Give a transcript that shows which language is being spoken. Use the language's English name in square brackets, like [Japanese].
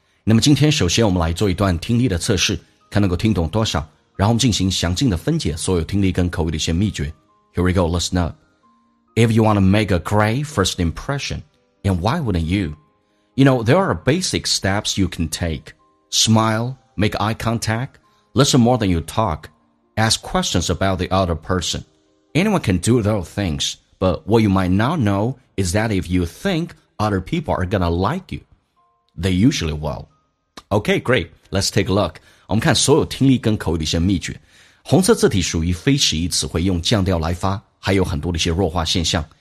[Chinese] 那么今天首先我们来做一段听力的测试，看能够听懂多少，然后进行详尽的分解所有听力跟口语的一些秘诀。 [English] Here we go, listen up. If you want to make a great first impression, and why wouldn't you? You know, there are basic steps you can take. Smile, make eye contact, listen more than you talk, ask questions about the other person. Anyone can do those things, but what you might not know is that if you think other people are gonna like you, they usually will. Okay, great. Let's take a look. [Chinese] 我们看所有听力跟口语的一些秘诀。红色字体属于非时义词汇，用降调来发，还有很多的一些弱化现象。